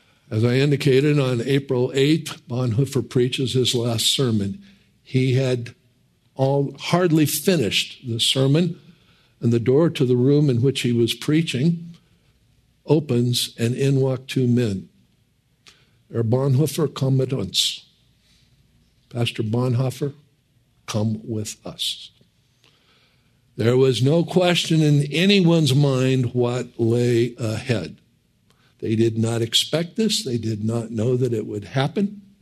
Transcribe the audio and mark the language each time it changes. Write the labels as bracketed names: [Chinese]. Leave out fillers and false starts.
[English] As I indicated, on April 8th, Bonhoeffer preaches his last sermon. He had hardly finished the sermon, and the door to the room in which he was preaching opens, and in walk two men. [German] Herr Bonhoeffer, komm mit uns. [English] Pastor Bonhoeffer, come with us. There was no question in anyone's mind what lay ahead. They did not expect this. They did not know that it would happen.